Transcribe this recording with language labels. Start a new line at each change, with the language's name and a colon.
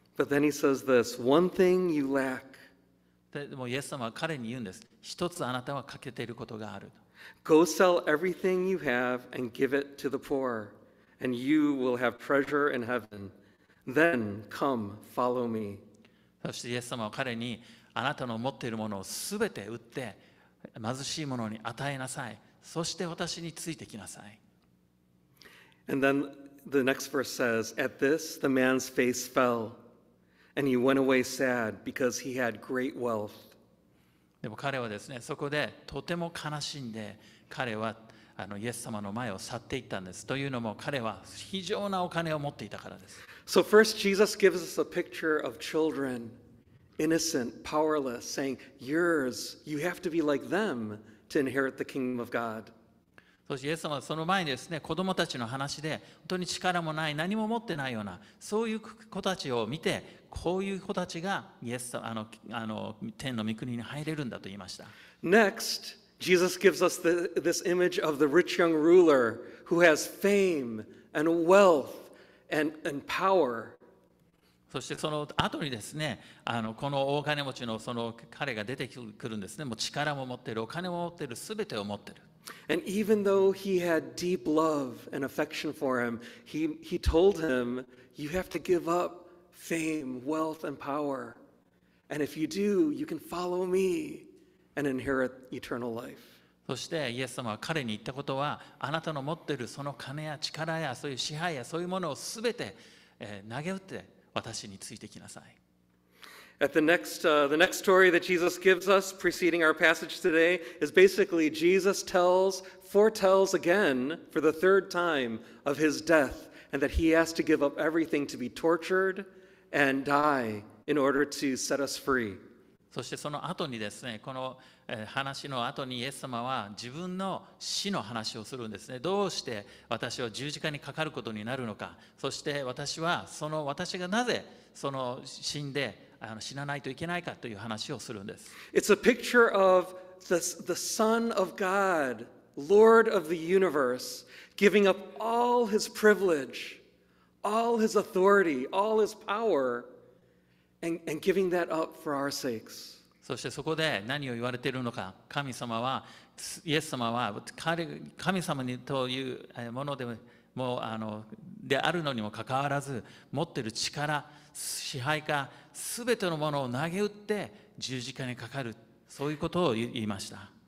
English: But then he says this, one thing you lack.
Japanese: でもイエス様は彼に言うんです。一つあなたは欠けていることがある。
English: Go sell everything you have and give it to the poor, and you will have treasure in heaven. Then come, follow me.
Japanese: そしてイエス様は彼にあなたの持っているものをすべて売って貧しいものに与えなさい。そして私についてきなさい。
English: And then the next verse says, "At this, the man's face fell, and he went away sad because he had great wealth."
Japanese: でも彼はですね、そこでとても悲しんで、彼はイエス様の前を去っていったんです。というのも彼は非常なお金を持っていたからです。
English: So first, Jesus gives us a picture of children, innocent, powerless, saying, "Yours, you have to be like them to inherit the kingdom of God."
Japanese: そしてイエス様はその前にですね、子供たちの話で本当に力もない、何も持ってないようなそういう子たちを見て、こういう子たちがイエス様天の御国に入れるんだと言いました。
English: Next, Jesus gives us this image of the rich young ruler who has fame and wealth. And power.
Japanese: そしてその後にですね、この大金持ちのその彼が出てくるんですね。もう力も持ってる、お金も持ってる、すべてを持ってる。
English: And even though he had deep love and affection for him, he told him, "You have to give up fame, wealth, and power. And if you do, you can follow me and inherit eternal life."
Japanese: そしてイエス様は彼に言ったことは、あなたの持っているその金や力やそういう支配やそういうものをすべて投げ打って私についてきなさい。
English: At the next story that Jesus gives us preceding our passage today is basically Jesus foretells again for the third time of his death and that he has to give up everything to be tortured and die in order to set us free.
Japanese: そしてその後にですね、この話の後にイエス様は自分の死の話をするんですね。どうして私は十字架にかかることになるのか、そして私はその私がなぜその死んで死なないといけないかという話をするんです。
English: It's a picture of the Son of God, Lord of the universe, giving up all his privilege, all his authority, all his power. And giving that up for our sakes.
Japanese: そしてそこで何を言われているのか、神様はイエス様は神様にというものでもうであるのにもかかわらず持ってる力支配下すべてのものを投げ打って十字架にかかるそういうことを言いました。